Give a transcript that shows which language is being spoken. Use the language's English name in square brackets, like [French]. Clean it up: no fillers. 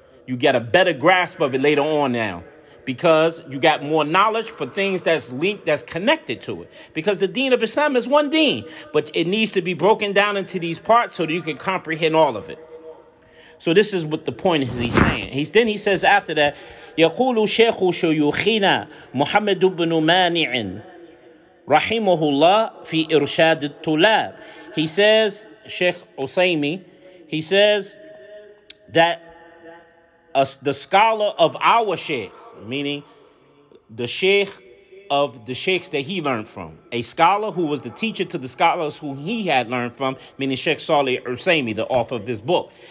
[English] You get a better grasp of it later on now because you got more knowledge for things that's linked, that's connected to it. Because the deen of Islam is one deen, but it needs to be broken down into these parts so that you can comprehend all of it. So this is what the point is he's saying. [Arabic] Then he says after that, يقول شيخ شيوخنا محمد بن مانع رحمه الله في إرشاد الطلاب. [English] He says, Sheikh Usaymi, he says that the scholar of our sheikhs, meaning the sheikh of the sheikhs that he learned from, a scholar who was the teacher to the scholars who he had learned from, meaning Sheikh Saleh Usaymi, the author of this book.